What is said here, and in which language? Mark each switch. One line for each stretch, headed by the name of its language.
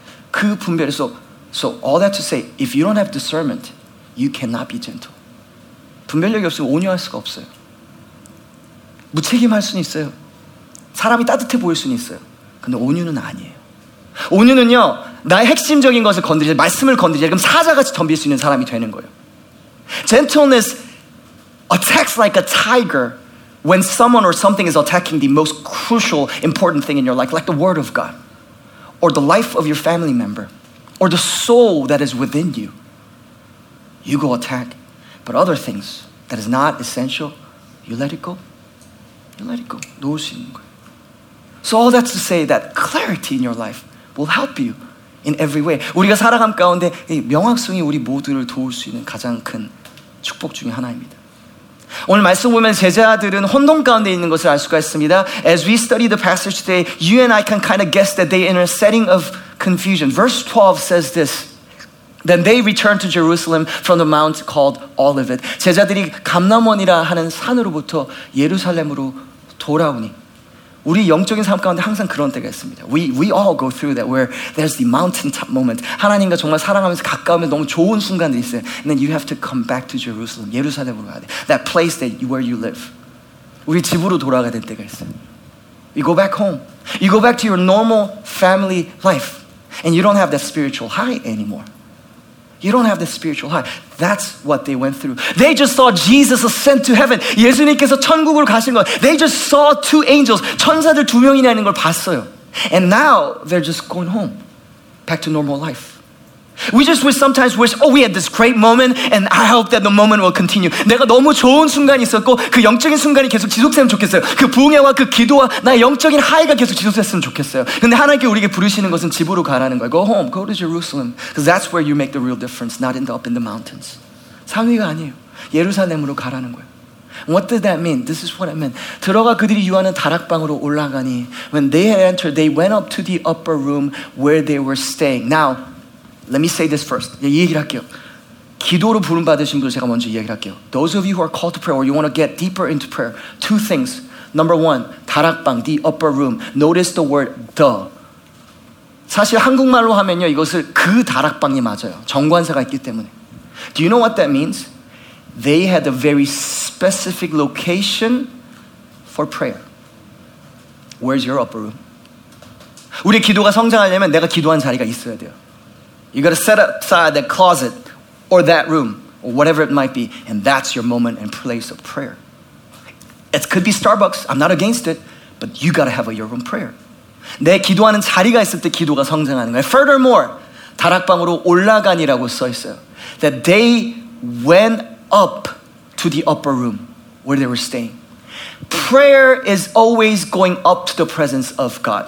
Korean: 그 분별,
English: so all that to say, if you don't have discernment, you cannot be gentle.
Korean: 분별력이 없으면 온유할 수가 없어요. 무책임할 수는 있어요. 사람이 따뜻해 보일 수는 있어요. 근데 온유는 아니에요. 온유는요, 나의 핵심적인 것을 건드리지, 말씀을 건드리지, 그럼 사자같이 덤빌 수 있는 사람이 되는 거예요.
English: Gentleness attacks like a tiger when someone or something is attacking the most crucial, important thing in your life, like the word of God, or the life of your family member, or the soul that is within you. You go attack, but other things that is not essential, you let it go. You let it go.
Korean: 놓을 수 있는 거예요.
English: So all that's to say that clarity in your life will help you in every way.
Korean: 우리가 살아감 가운데 명확성이 우리 모두를 도울 수 있는 가장 큰 축복 중에 하나입니다. 오늘 말씀 보면 제자들은 혼돈 가운데 있는 것을 알 수가 있습니다.
English: As we study the passage today, you and I can kind of guess that they are in a setting of confusion. Verse 12 says this, Then they returned to Jerusalem from the mount called Olivet.
Korean: 제자들이 감람원이라 하는 산으로부터 예루살렘으로 돌아오니 우리 영적인 삶 가운데 항상 그런 때가 있습니다.
English: We all go through that where there's the mountaintop moment.
Korean: 하나님과 정말 사랑하면서 가까우면 너무 좋은 순간들이 있어요.
English: And then you have to come back to Jerusalem.
Korean: 예루살렘으로 가야 돼.
English: That place that where you live.
Korean: 우리 집으로 돌아가야 될 때가 있어요.
English: You go back home. You go back to your normal family life. And you don't have that spiritual high anymore. You don't have the spiritual high. That's what they went through. They just saw Jesus ascend to heaven.
Korean: 예수님께서 천국으로 가신 것.
English: They just saw two angels.
Korean: 천사들 두 명이나 있는 걸 봤어요.
English: And now they're just going home. Back to normal life. We just wish sometimes wish, oh, we had this great moment and I hope that the moment will continue.
Korean: 내가 너무 좋은 순간이 있었고 그 영적인 순간이 계속 지속됐으면 좋겠어요. 그 부흥회와 그 기도와 나의 영적인 하이가 계속 지속됐으면 좋겠어요. 근데 하나님께 우리에게 부르시는 것은 집으로 가라는 거예요.
English: Go home, go to Jerusalem. Because that's where you make the real difference, not in the, up in the mountains.
Korean: 상위가 아니에요. 예루살렘으로 가라는 거예요.
English: What did that mean? This is what it meant.
Korean: 들어가 그들이 유하는 다락방으로 올라가니
English: When they had entered, they went up to the upper room where they were staying. Now, Let me say this first.
Korean: 이 얘기를 할게요. 기도로 부름받으신 분 제가 먼저 이야기를 할게요.
English: Those of you who are called to prayer or you want to get deeper into prayer, two things. Number one, 다락방, the upper room. Notice the word the.
Korean: 사실 한국말로 하면요, 이것을 그 다락방이 맞아요. 정관사가 있기 때문에.
English: Do you know what that means? They had a very specific location for prayer. Where's your upper room?
Korean: 우리 기도가 성장하려면 내가 기도한 자리가 있어야 돼요.
English: You got to set aside that closet or that room or whatever it might be, and that's your moment and place of prayer. It could be Starbucks. I'm not against it, but you got to have a your own prayer.
Korean: 내 기도하는 자리가 있을 때 기도가 성장하는 거예요. Furthermore, 다락방으로 올라간이라고 써 있어요.
English: That they went up to the upper room where they were staying. Prayer is always going up to the presence of God.